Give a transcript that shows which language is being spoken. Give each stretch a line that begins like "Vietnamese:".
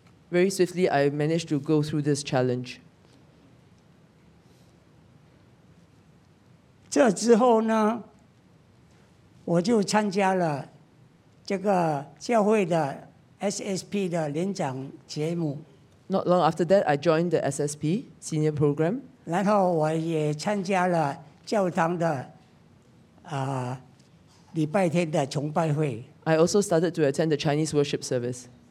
English: Very swiftly, I managed to go through this challenge.
Chinese: 这之后呢，我就参加了这个教会的。 SSP 的联长节目。
English: Not long after that, I joined the SSP senior program.
Chinese: 然后我也参加了教堂的 礼拜天的崇拜会。
English: I also started to attend the Chinese worship service.